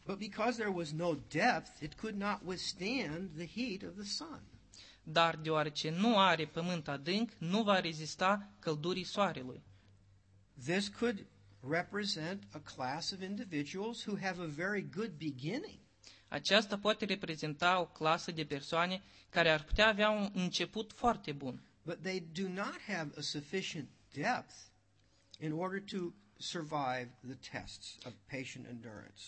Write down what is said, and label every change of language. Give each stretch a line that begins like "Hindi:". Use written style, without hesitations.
English: But because there was no depth, it could not withstand the heat of the sun.
Romanian: Dar deoarece nu are pământ adânc, nu va rezista căldurii soarelui.
English: This could represent a class of individuals who have a very good beginning.
Romanian: Aceasta poate reprezenta o clasă de persoane care ar putea avea un început foarte bun.
English: But they do not have a sufficient depth in order to survive the tests of patient endurance.